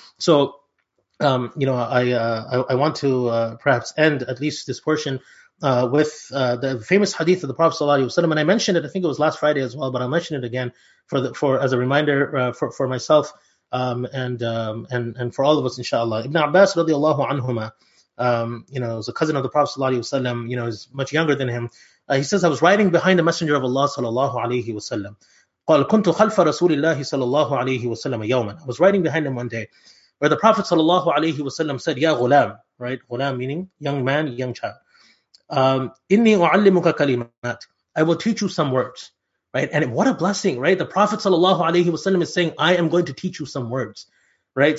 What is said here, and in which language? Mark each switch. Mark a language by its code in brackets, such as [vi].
[en] So, you know, I want to perhaps end at least this portion with the famous hadith of the Prophet sallallahu alaihi wasallam. And I mentioned it, I think it was last Friday as well, but I'll mention it again as a reminder for myself. And for all of us, inshallah. Ibn Abbas radiallahu anhuma, you know, was a cousin of the Prophet sallallahu alayhi wa sallam, you know, is much younger than him. He says, I was riding behind the Messenger of Allah sallallahu alayhi wa sallam. [ar] قال كنت خلف رسول الله sallallahu alayhi wa sallam يوما. [en] I was riding behind him one day where the Prophet sallallahu alayhi wa sallam said, Ya ghulam, right? Ghulam meaning young man, young child. [ar] إني أعلمك كلمات. [en] I will teach you some words. Right, and what a blessing, right? The Prophet sallallahu alaihi wasallam is saying, I am going to teach you some words, right?